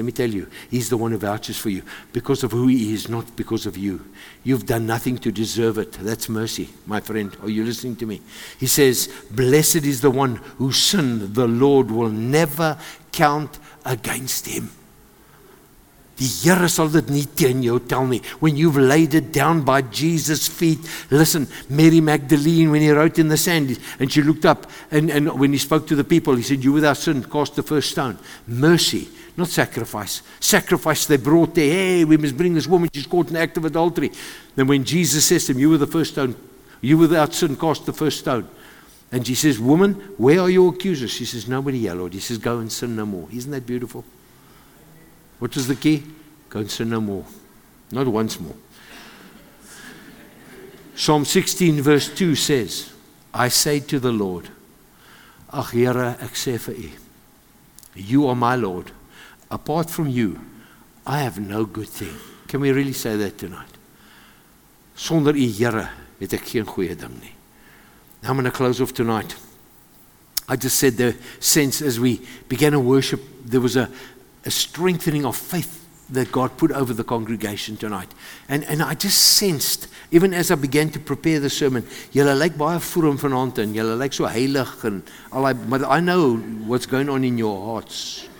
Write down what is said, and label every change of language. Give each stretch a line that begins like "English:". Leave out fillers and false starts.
English: Let me tell you, He's the one who vouches for you because of who He is, not because of you. You've done nothing to deserve it. That's mercy, my friend. Are you listening to me? He says, blessed is the one whose sin the Lord will never count against him.
Afrikaans: Die Here sal dit nie teen jou tel nie.
English: When you've laid it down by Jesus' feet, listen, Mary Magdalene, when He wrote in the sand, and she looked up, and when He spoke to the people, He said, you without sin, cast the first stone. Mercy, not sacrifice. Sacrifice they brought there. Hey, we must bring this woman, she's caught in the act of adultery. Then when Jesus says to him, you were the first stone, you without sin, cast the first stone. And she says, woman, where are your accusers? She says, nobody here, Lord. He says, go and sin no more. Isn't that beautiful? What is the key? Go and sin no more. Not once more. Psalm 16 verse 2 says, I say to the Lord,
Afrikaans: Ach Here, ek sê vir u,
English: you are my Lord. Apart from you, I have no good thing. Can we really say that tonight?
Afrikaans: Sonder u, Here, het ek geen goeie ding nie.
English: Now I'm going to close off tonight. I just said the sense as we began to worship, there was a strengthening of faith that God put over the congregation tonight. And I just sensed, even as I began to prepare the sermon,
Afrikaans: julle lyk baie vroom vanaand en julle lyk so heilig en al die,
English: but I know what's going on in your hearts.